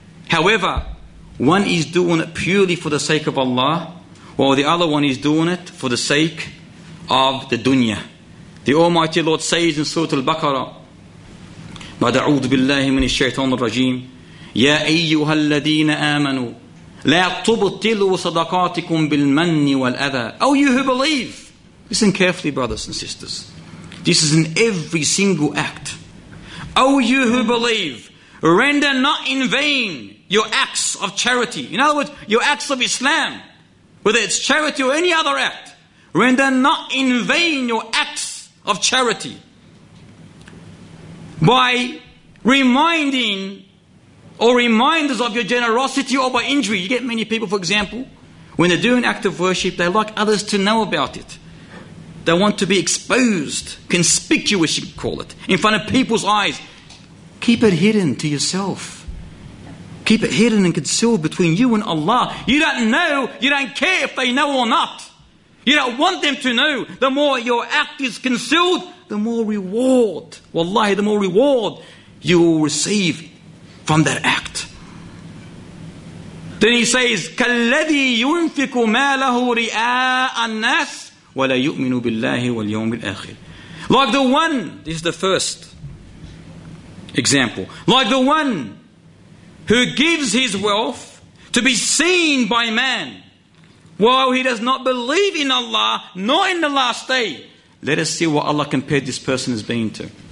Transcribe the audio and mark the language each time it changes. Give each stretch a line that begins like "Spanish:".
English: However, one is doing it purely for the sake of Allah, while the other one is doing it for the sake of the dunya. The Almighty Lord says in Surah Al-Baqarah,
Arabic: بعد أعوذ بالله من الشيطان الرجيم يا أيها الذين آمنوا لا تبطلوا صدقاتكم بالمن والأذى.
English: Oh, you who believe, listen carefully, brothers and sisters, this is in every single act. Oh, you who believe, render not in vain your acts of charity. In other words, your acts of Islam, whether it's charity or any other act, render not in vain your acts of charity by reminding or reminders of your generosity or by injury. You get many people, for example, when they do an act of worship, they like others to know about it. They want to be exposed, conspicuous, you call it, in front of people's eyes. Keep it hidden to yourself. Keep it hidden and concealed between you and Allah. You don't know, you don't care if they know or not. You don't want them to know. The more your act is concealed, the more reward, wallahi, the more reward you will receive from that act. Then he says,
Arabic: كَالَّذِي يُنْفِقُ مَا لَهُ رِئَاءَ النَّاسِ وَلَا يُؤْمِنُ بِاللَّهِ وَالْيَوْمِ الْآخِرِ.
English: Like the one, this is the first example, like the one who gives his wealth to be seen by man, while he does not believe in Allah, nor in the last day. Let us see what Allah compared this person as being to.